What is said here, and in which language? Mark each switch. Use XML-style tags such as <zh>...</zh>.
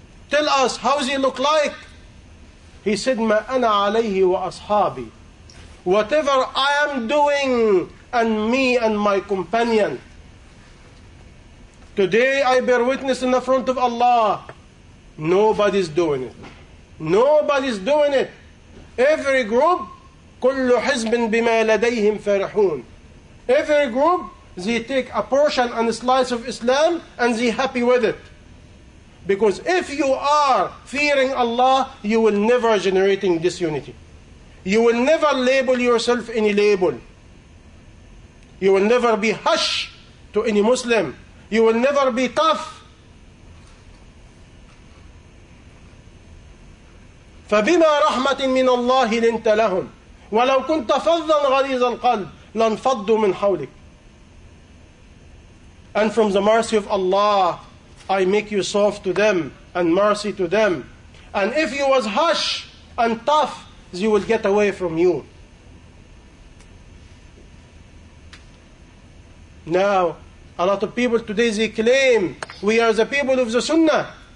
<en>Tell us, how does he look like? He said,</en> <ar>Ma ana alayhi wa ashabi.</ar> <en>Whatever I am doing, and me and my companion. Today I bear witness in the front of Allah. Nobody's doing it. Nobody's doing it. Every group,</en> <ar>كل حزب بما لديهم فرحون.</ar> <en>Every group, they take a portion and a slice of Islam and they happy with it. Because if you are fearing Allah, you will never generating disunity. You will never label yourself any label. You will never be hush to any Muslim. You will never be tough.</en> <ar>فبما رحمة من الله لنت لهم ولو كنت فظا غليظ القلب لانفضوا من حولك.</ar> <en>And from the mercy of Allah, I make you soft to them and mercy to them. And if you was harsh and tough, they will get away from you. Now, a lot of people today, they claim, we are the people of the Sunnah.</en>